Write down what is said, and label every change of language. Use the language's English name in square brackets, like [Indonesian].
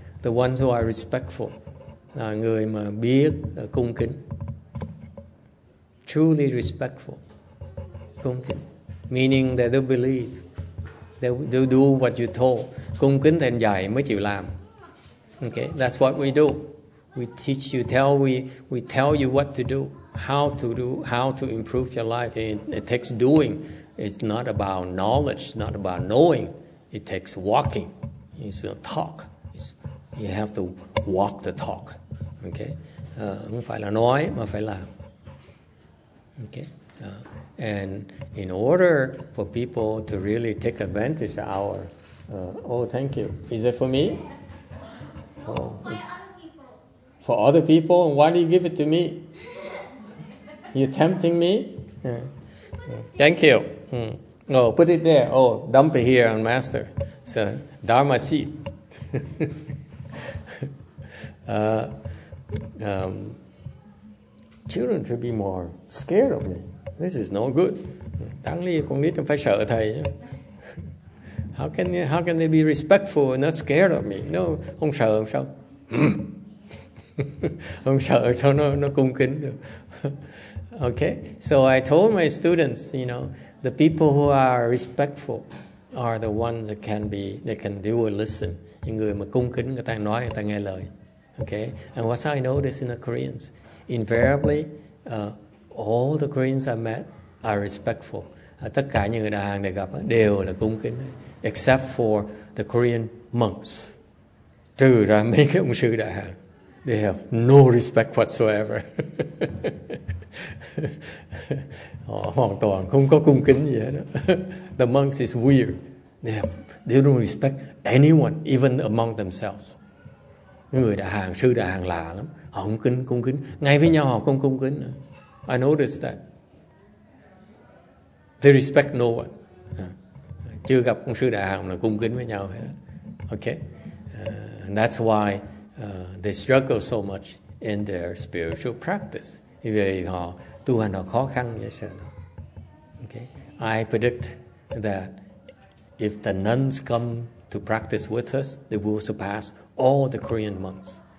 [English] The ones who are respectful. [Vietnamese] Là người mà biết cung kính. [English] Truly respectful. [Vietnamese] Cung kính. [English] Meaning that they believe. They'll do what you told. [Vietnamese] Cung kính thầy dạy mới chịu làm. [English] Okay, that's what we do. We teach you, we tell you what to do, how to do, how to improve your life. It takes doing. It's not about knowledge, not about knowing. It takes walking. It's a talk. You have to walk the talk. [Vietnamese] Okay, không phải là nói mà phải làm. [English] Okay, and in order for people to really take advantage of our, thank you. Is it for me? Oh, for other people. for other people, and why do you give it to me? You're tempting me? Yeah. Thank you. Oh, put it there. Oh, dump it here on Master. So, Dharma seat. Children should be more scared of me. This is no good. [Vietnamese] Đáng lý con nít phải sợ thầy. [English] How can they be respectful and not scared of me? [Vietnamese] No, không sợ không sao? Không sợ sao nó cung kính được? [English] Okay, so I told my students, you know, the people who are respectful are the ones that can be, they can, they will listen. [Vietnamese] Những người mà cung kính, người ta nói, người ta nghe lời. [English] Okay, and what I noticed in the Koreans, invariably, all the Koreans I met are respectful. [Vietnamese] Tất cả những người đại hàng này gặp đều là cung kính, [English] except for the Korean monks. [Vietnamese] Trừ ra mấy cái ông sư đại hàng, [English] they have no respect whatsoever. [Vietnamese] Họ hoàn toàn không có cung kính gì hết. [English] The monks is weird. They don't respect anyone, even among themselves. [Vietnamese] Người đại hàng, sư đại hàng lạ lắm. Họ không kính, cung kính. Ngay với nhau họ không cung kính nữa. [English] I noticed that. They respect no one. [Vietnamese] Chưa gặp ông sư đại hàng là cung kính với nhau hết. Okay. [English] And that's why they struggle so much in their spiritual practice. [Vietnamese] Vì họ tu hành họ khó khăn như thế nào. Okay. [English] I predict that if the nuns come to practice with us, they will surpass all the Korean monks.